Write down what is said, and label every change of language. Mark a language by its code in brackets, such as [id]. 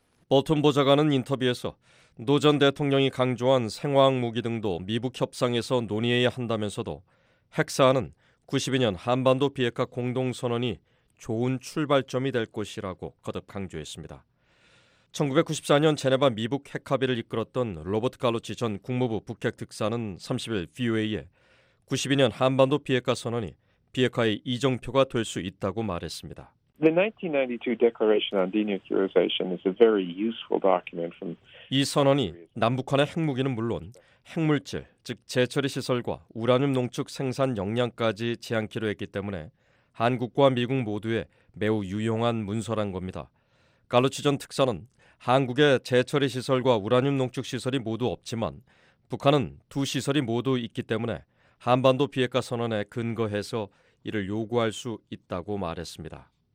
[ko] 볼튼 보좌관은 인터뷰에서 노 전 대통령이 강조한 생화학 무기 등도 미북 협상에서 논의해야 한다면서도 핵사안은 92년 한반도 비핵화 공동선언이 좋은 출발점이 될 것이라고 거듭 강조했습니다. 1994년 제네바 미북 핵합의를 이끌었던 로버트 갈로치 전 국무부 북핵특사는 30일 VOA에 92년 한반도 비핵화 선언이 비핵화의 이정표가 될 수 있다고 말했습니다. [en] The 1992 Declaration on Denuclearization is a very useful document from [ko] 이 선언이 남북한의 핵무기는 물론 핵물질, 즉 재처리 시설과 우라늄 농축 생산 역량까지 제한키로 했기 때문에 한국과 미국 모두에 매우 유용한 문서란 겁니다. 갈로치 전 특사는 한국의 재처리 시설과 우라늄 농축 시설이 모두 없지만 북한은 두 시설이 모두 있기 때문에 한반도 비핵화 선언에 근거해서 이를 요구할 수 있다고 말했습니다.